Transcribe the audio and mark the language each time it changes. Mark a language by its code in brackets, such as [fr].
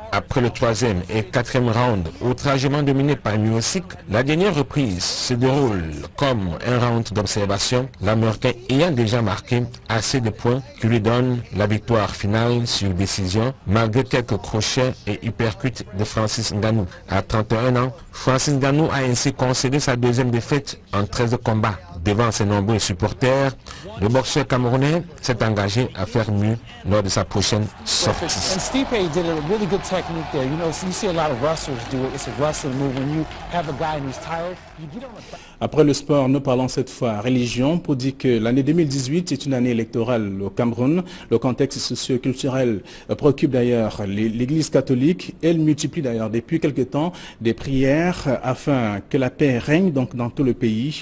[fr] Après le troisième et quatrième round, outrageusement dominé par Miocic, la dernière reprise se déroule comme un round d'observation, l'Américain ayant déjà marqué assez de points qui lui donnent la victoire finale sur décision, malgré quelques crochets et uppercuts de Francis Ngannou. À 31 ans, Francis Ngannou a ainsi concédé sa deuxième défaite en 13 combats. Devant ses nombreux supporters, le boxeur camerounais s'est engagé à faire mieux lors de sa prochaine sortie. [en] Stipe did a really good technique there. You know, you see a lot of wrestlers do it. It's a wrestling move. When you have a guy who's tired, you get on the... [fr] Après le sport, nous parlons cette fois religion pour dire que l'année 2018 est une année électorale au Cameroun. Le contexte socio-culturel préoccupe d'ailleurs l'Église catholique. Elle multiplie d'ailleurs depuis quelque temps des prières afin que la paix règne donc dans tout le pays.